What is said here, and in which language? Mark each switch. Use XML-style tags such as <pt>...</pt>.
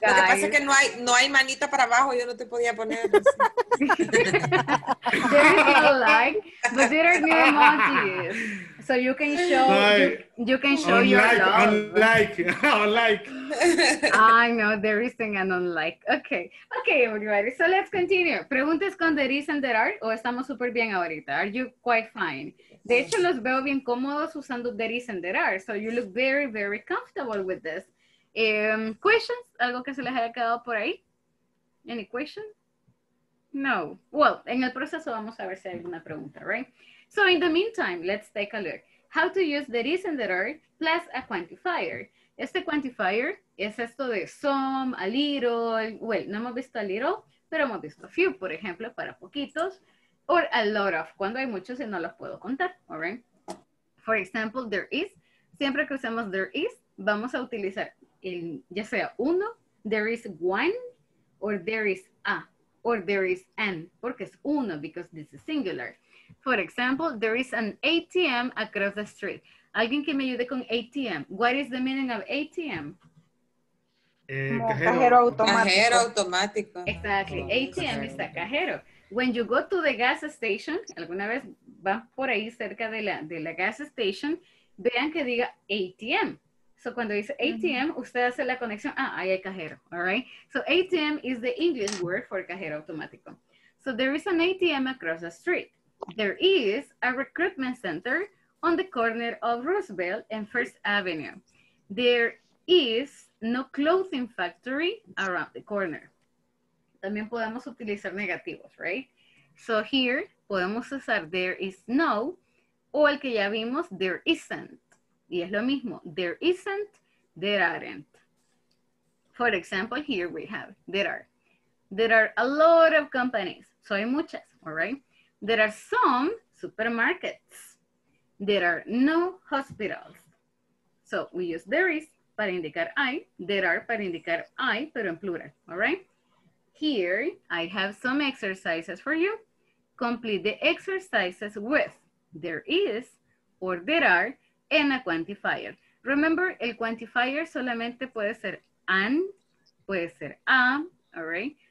<es>Lo que pasa es que no hay manita para abajo. Yo no te podía poner.</es> <en>There is no like, but there are new emojis. So you can show, you can show unlike, your love. Unlike. I know, there is thing and unlike. Okay, everybody. So let's continue.</en> <es>Preguntas con there is and there are, o estamos super bien ahorita.</es> <en>Are you quite fine?</en> <es>De hecho, los veo bien cómodos usando</es> <en>there is and there are. So you look very, very comfortable with this. Questions?</en> <es>¿Algo que se les haya quedado por ahí?</es> <en>Any question?</en> <es>No. Well, en el proceso vamos a ver si hay alguna pregunta, right?</es> <en>So in the meantime, let's take a look. How to use there is and there are plus a quantifier.</en> <es>Este quantifier es esto de some, a little. Well, no hemos visto a little, pero hemos visto a few, por ejemplo, para poquitos. Or a lot of, cuando hay muchos y no los puedo contar, all right?</es> <en>For example, there is.</en> <es>Siempre que usemos</es> <en>there is,</en> <es>vamos a utilizar el, ya sea uno,</es> <en>there is one, or there is a, or there is an,</en> <es>porque es uno,</es> <en>because this is singular. For example, there is an ATM across the street.</en> <es>Alguien que me ayude con ATM.</es> <en>What is the meaning of ATM?</en> <es>Cajero automático. Cajero automático.</es> <en>Exactly. ATM is a cajero. When you go to the gas station,</en> <es>alguna vez van por ahí cerca de la</es> <en>gas station,</en> <es>vean que diga</es> <en>ATM.</en> <es>So cuando dice ATM, usted hace la conexión.</es> <en>Ah,</en> <es>ahí hay cajero.</es> <en>All right. So ATM is the English word for cajero automático. So there is an ATM across the street. There is a recruitment center on the corner of Roosevelt and First Avenue. There is no clothing factory around the corner.</en> <es>También podemos utilizar negativos, right? So here, podemos usar there is no, o el que ya vimos, there isn't. Y es lo mismo,</es> <en>there isn't, there aren't. For example, here we have, there are. There are a lot of companies. So</en> <es>hay muchas,</es> <en>all right? There are some supermarkets. There are no hospitals. So we use there is</en> <es>para indicar hay. There are para indicar hay, pero en plural. All right.</es> <en>Here I have some exercises for you. Complete the exercises with there is or there are and a quantifier.</en> <es>Remember, el quantifier solamente puede ser an, puede ser a, all right.</es>